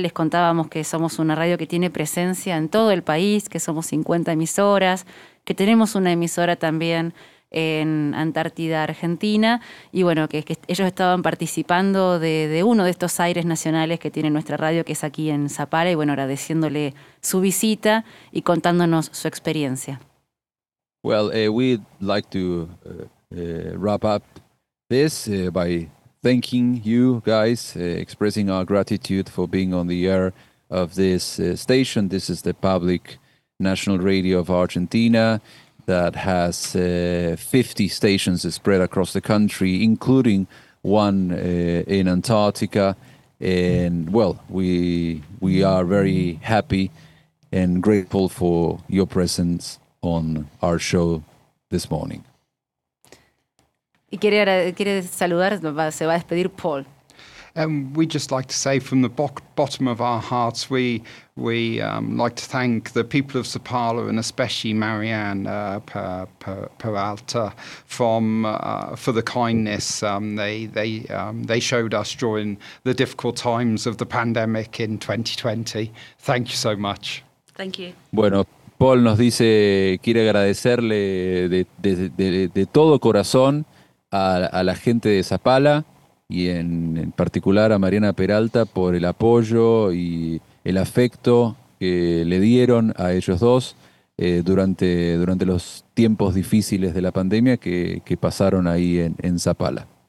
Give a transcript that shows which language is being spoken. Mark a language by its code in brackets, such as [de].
[es] Les contábamos que somos una radio que tiene presencia en todo el país, que somos 50 emisoras, que tenemos una emisora también en Antártida, Argentina, y bueno, que ellos estaban participando de uno de estos aires nacionales que tiene nuestra radio, que es aquí en Zapala, y bueno, agradeciéndole su visita y contándonos su experiencia. [en] Well, we'd like to wrap up this by thanking you guys, expressing our gratitude for being on the air of this station. This is the public national radio of Argentina that has 50 stations spread across the country, including one in Antarctica. And, well, we are very happy and grateful for your presence on our show this morning. [es] Y quiere saludar, se va a despedir Paul. [en] We just like to say from the bottom of our hearts, we like to thank the people of Zapala and especially Marianne Peralta for the kindness they showed us during the difficult times of the pandemic in 2020. Thank you so much. Thank you. [es] Bueno, Paul nos dice, quiere agradecerle de todo corazón a la gente de Zapala, y en particular a Mariana Peralta por el apoyo y el afecto que le dieron a ellos dos durante los tiempos difíciles de la pandemia que pasaron ahí en Zapala.